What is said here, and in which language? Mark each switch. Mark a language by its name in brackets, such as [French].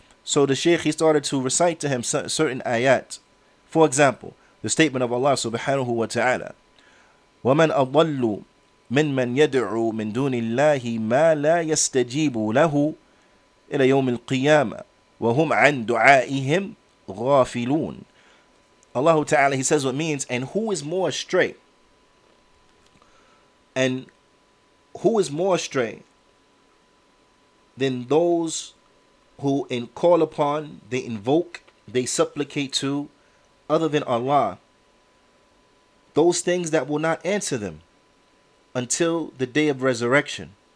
[English] So the sheikh, he started to recite to him certain ayat. For example, the statement of Allah subhanahu wa ta'ala. [Arabic] وَمَنْ أَضَلُّ مِنْ مَنْ يَدْعُوا مِنْ دُونِ اللَّهِ مَا لَا يَسْتَجِيبُ لَهُ إلى يوم القيامة وهم عن دعائهم غافلون. [English] Allah Ta'ala, he says what means, and who is more astray? And who is more astray than those who call upon, they invoke, they supplicate to other than Allah those things that will not answer them until the day of resurrection?